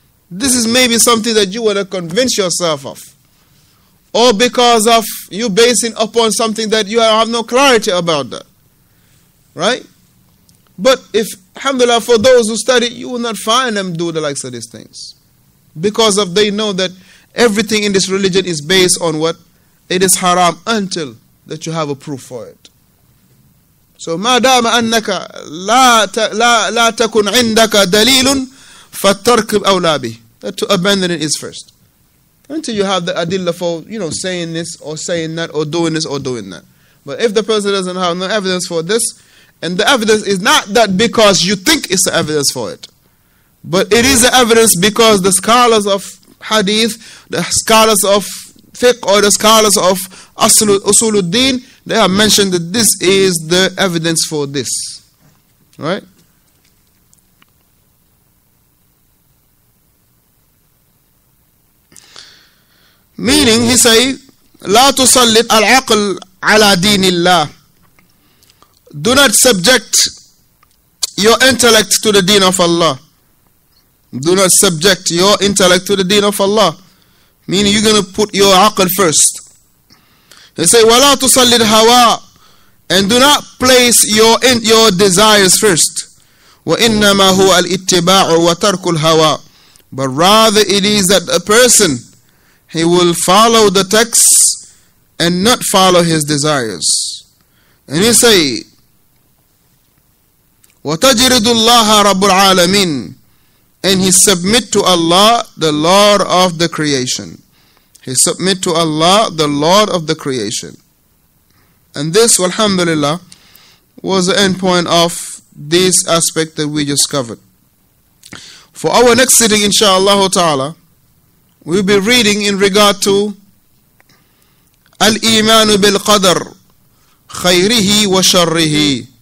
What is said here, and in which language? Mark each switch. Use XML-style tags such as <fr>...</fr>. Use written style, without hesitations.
<en>This is maybe something that you want to convince yourself of. Or because of you basing upon something that you have no clarity about that. Right? But if, alhamdulillah, for those who study, you will not find them do the likes of these things. Because of they know that everything in this religion is based on what? It is haram until that you have a proof for it. So,</en> <ar>ما دام أنك لا تكن عندك دليل فالترك أولى به.</ar> <en>That to abandon it is first. Until you have the adilla for, you know, saying this or saying that or doing this or doing that. But if the person doesn't have no evidence for this, and the evidence is not that because you think it's the evidence for it, but it is the evidence because the scholars of hadith, the scholars of fiqh, or the scholars of usuluddin, they have mentioned that this is the evidence for this. Right? Meaning, he say,</en> <ar>لا تسلط العقل على دين الله.</ar> <en>Do not subject your intellect to the deen of Allah. Do not subject your intellect to the deen of Allah. Meaning you're going to put your aql first. He say,</en> <ar>وَلَا تُصَلِّدْ هَوَىٰ.</ar> <en>And do not place your desires first.</en> <ar>وَإِنَّمَا هُوَ الْإِتِّبَاعُ وَتَرْكُ الْهَوَىٰ.</ar> <en>But rather it is that a person, he will follow the text and not follow his desires. And he say,</en> <ar>وَتَجْرِدُ اللَّهَ رَبُّ الْعَالَمِينَ.</ar> <en>And he submit to Allah, the Lord of the creation. He submit to Allah, the Lord of the creation. And this, alhamdulillah, was the end point of this aspect that we just covered. For our next sitting, inshallah ta'ala, we'll be reading in regard to</en> <ar>الْإِيمَانُ بِالْقَدَرِ خَيْرِهِ وَشَرِّهِ.</ar>